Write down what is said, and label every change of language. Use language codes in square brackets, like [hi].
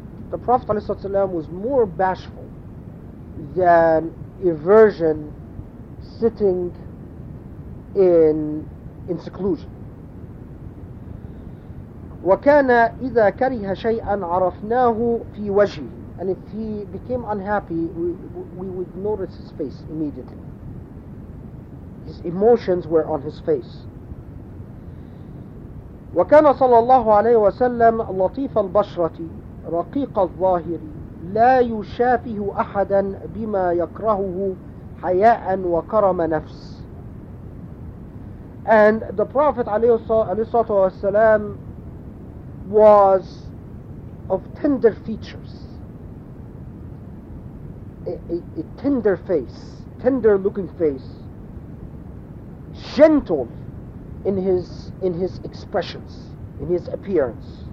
[en] The Prophet ﷺ was more bashful than a virgin sitting in seclusion. [ar] وكان إذا كره شيئا عرفناه في وجهه. [en] And if he became unhappy, we would notice his face immediately. His emotions were on his face. [ar] وكان صلى الله عليه وسلم لطيف البشرة رقيق الظاهر لا يشافه أحدا بما يكرهه حياء وكرم نفس. [en] And the Prophet عليه السلام was of tender features, a tender face, tender looking face, gentle in his expressions, in his appearance,